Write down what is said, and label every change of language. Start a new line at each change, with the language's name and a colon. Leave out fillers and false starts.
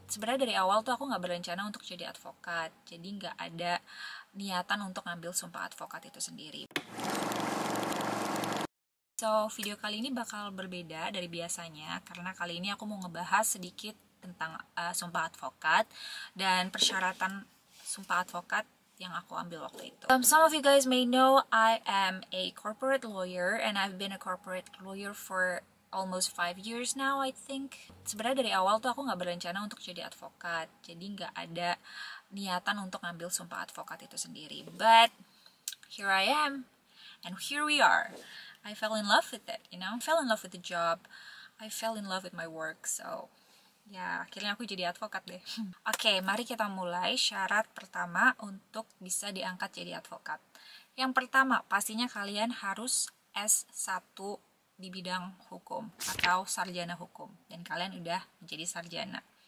Indonesian: sebenarnya dari awal tuh aku nggak berencana untuk jadi advokat, jadi nggak ada niatan untuk ngambil sumpah advokat itu sendiri. So, video kali ini bakal berbeda dari biasanya, karena kali ini aku mau ngebahas sedikit tentang sumpah advokat dan persyaratan sumpah advokat yang aku ambil waktu itu.
English: Some of you guys may know I am a corporate lawyer and I've been a corporate lawyer for almost 5 years now, I think.
Indonesian: Sebenarnya dari awal tuh aku nggak berencana untuk jadi advokat, jadi nggak ada niatan untuk ngambil sumpah advokat itu sendiri.
English: But here I am, and here we are. I fell in love with it, you know. I fell in love with the job. I fell in love with my work.
Indonesian: So, ya, akhirnya aku jadi advokat deh. Oke, mari kita mulai syarat pertama untuk bisa diangkat jadi advokat. Yang pertama, pastinya kalian harus S1 di bidang hukum atau sarjana hukum. Dan kalian udah menjadi sarjana.